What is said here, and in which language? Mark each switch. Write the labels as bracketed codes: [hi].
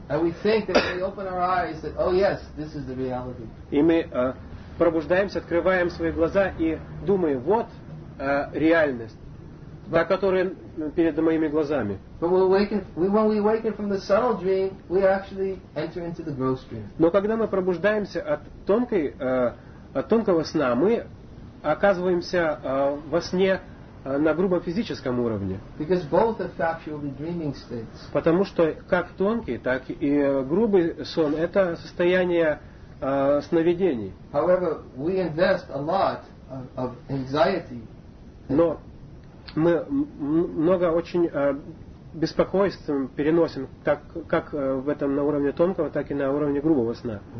[en] And we think that when we open our eyes that, oh yes, this is the reality. [ru] И мы пробуждаемся, открываем свои глаза и думаем, вот реальность, та, которая перед моими глазами. [en] But when we awaken from the subtle dream, we actually enter into the gross dream. [ru] Но когда мы пробуждаемся от тонкой от тонкого сна мы оказываемся во сне на грубо физическом уровне. [en] Because both are factually dreaming states. [ru] Потому что как тонкий, так и грубый сон – это состояние сновидений. [en] However, we invest a lot of anxiety. [ru] Но мы много очень беспокойств переносим как в этом на уровне тонкого, так и на уровне грубого сна.